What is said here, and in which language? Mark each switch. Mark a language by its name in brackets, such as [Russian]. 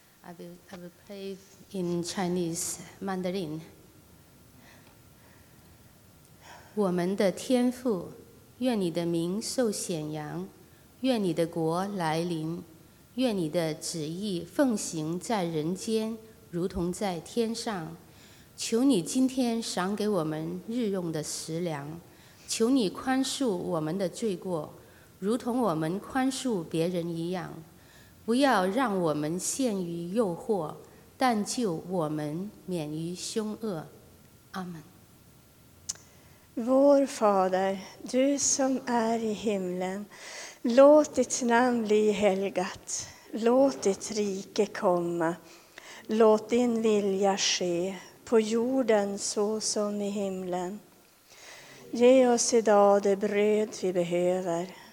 [English] I will pray in Chinese mandarin. [Swedish] Vår [Chinese] 天父, 愿你的名受显扬, 愿你的国来临, 愿你的旨意奉行在人间，如同在天上。求你今天赏给我们日用的食粮。求你宽恕我们的罪过，如同我们宽恕别人一样。不要让我们陷于诱惑，但救我们免于凶恶。阿门。 [Swedish] Vår Fader, du som är i himlen, låt ditt namn bli helgat. Låt ditt rike komma. Låt din vilja ske på jorden så som i himlen. Ge oss idag det bröd vi behöver